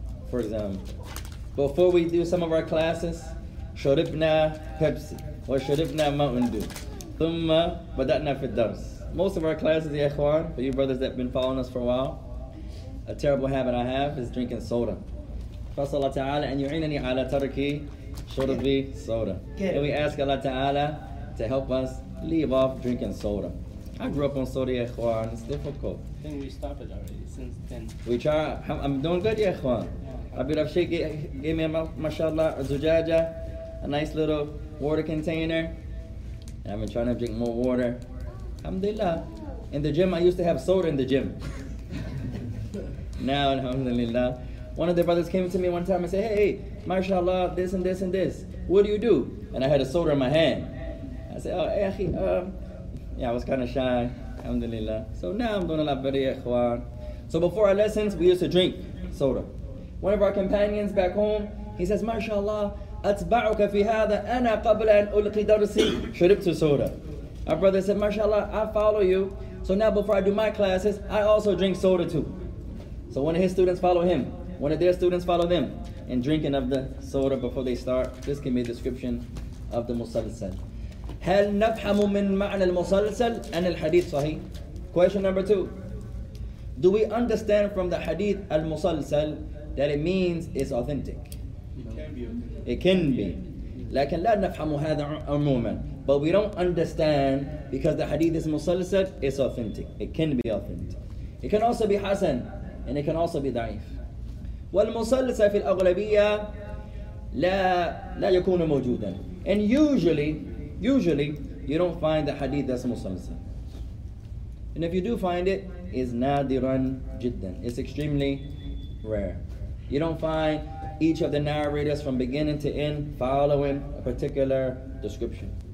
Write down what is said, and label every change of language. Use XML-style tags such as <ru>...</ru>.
<en>For example, before we do some of our classes,</en> <ar>شربna</ar> <en>Pepsi or شربna Mountain Dew.</en> <ar>ثم بدأنا في الدرس.</ar> <en>Most of our classes, يا إخوان, for you brothers that have been following us for a while, a terrible habit I have is drinking soda.</en> <ar>فصلى الله تعالى أن يعينني على ترك شرب soda.</ar> <en>And we ask Allah Ta'ala to help us leave off drinking soda. I grew up on soda, ya Ikhwan. It's difficult. I think we stopped it already since then. We try. I'm doing good, ya Ikhwan. Abir Afshay gave me, mashallah, a zujaja, a nice little water container. And I've been trying to drink more water. Alhamdulillah. In the gym, I used to have soda in the gym. Now, alhamdulillah. One of the brothers came to me one time and said, hey, mashallah, this and this and this. What do you do? And I had a soda in my hand. I said, oh, akhi, yeah, I was kind of shy, alhamdulillah. So now I'm doing a lot better, ikhwan. So before our lessons, we used to drink soda. One of our companions back home, he says, MashaAllah,</en> <ar>أتبعك في هذا أنا قبل أن ألقي درسي شربت soda.</ar> <en>Our brother said, MashaAllah, I follow you. So now before I do my classes, I also drink soda too. So one of his students follow him. One of their students follow them. And drinking of the soda before they start, this can be a description of the musalsal.</en> <ar>هل نفهم من معنى المسلسل أن الحديث صحيح؟</ar> <en>Question number two. Do we understand from the hadith المسلسل that it means it's authentic? It can be.</en> <ar>لكن لا نفهم هذا عموما.</ar> <en>But we don't understand because the hadith is مسلسل, it's authentic. It can be authentic. It can also be حسن and it can also be ضعيف.</en> <ar>والمسلسل في الأغلبية لا يكون موجودا.</ar> <en>And usually, Usually, you don't find the hadith that's musalsal. And if you do find it, it's</en> <ar>nadiran jiddan.</ar> <en>It's extremely rare. You don't find each of the narrators from beginning to end following a particular description.</en>